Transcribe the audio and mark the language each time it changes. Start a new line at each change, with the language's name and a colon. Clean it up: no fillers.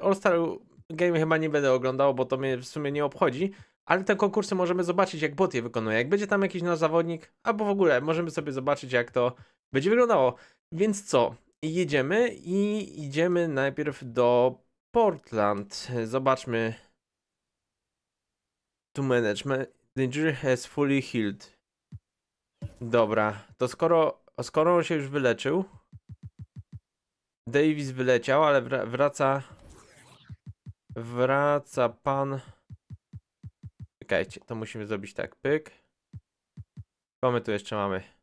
Polish: All-Star Game chyba nie będę oglądał, bo to mnie w sumie nie obchodzi. Ale te konkursy możemy zobaczyć, jak bot je wykonuje. Jak będzie tam jakiś nowy zawodnik, albo w ogóle możemy sobie zobaczyć, jak to będzie wyglądało. Więc co? Jedziemy i idziemy najpierw do Portland. Zobaczmy.
English: To management. Danger has fully healed.
Polish: Dobra, to skoro on się już wyleczył, Davis wyleciał, ale wraca pan. Czekajcie, to musimy zrobić tak, pyk. Co my tu jeszcze mamy?